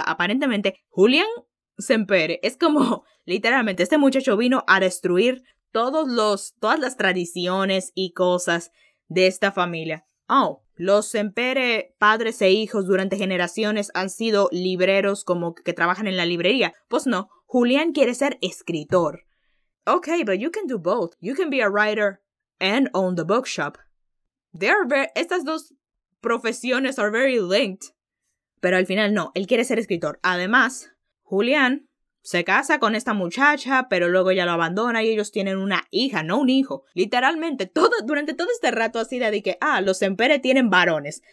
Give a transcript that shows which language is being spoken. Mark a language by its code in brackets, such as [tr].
[es] Aparentemente, Julián Sempere es como, literalmente, este muchacho vino a destruir todas las tradiciones y cosas de esta familia. Oh, los Sempere, padres e hijos, durante generaciones han sido libreros, como que trabajan en la librería. Pues no, Julián quiere ser escritor. [en] Okay, but you can do both. You can be a writer and own the bookshop. [es] Estas dos profesiones [en] are very linked. [es] Pero al final no, él quiere ser escritor. Además, Julián se casa con esta muchacha, pero luego ya lo abandona y ellos tienen una hija, no un hijo. Literalmente, durante todo este rato así de que, ah, los Sempere tienen varones.